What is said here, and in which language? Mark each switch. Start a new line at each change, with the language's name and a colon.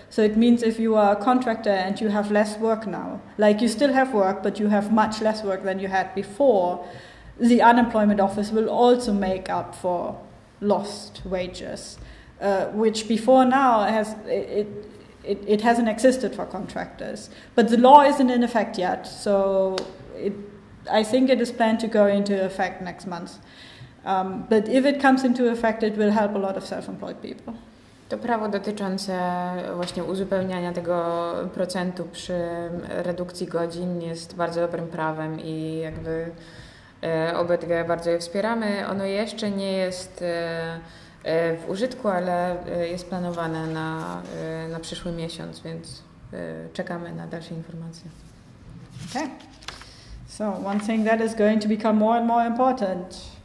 English: So it means if you are a contractor and you have less work now, like you still have work, but you have much less work than you had before, the unemployment office will also make up for lost wages, which before now hasn't existed for contractors. But the law isn't in effect yet, so I think it is planned to go into effect next month. But if it comes into effect, it will help a lot of self-employed people.
Polish: To prawo dotyczące właśnie uzupełniania tego procentu przy redukcji godzin jest bardzo dobrym prawem i jakby obydwie bardzo je wspieramy. Ono jeszcze nie jest w użytku, ale jest planowane na przyszły miesiąc, więc czekamy na dalsze informacje.
English: Okay. So one thing that is going to become more and more important.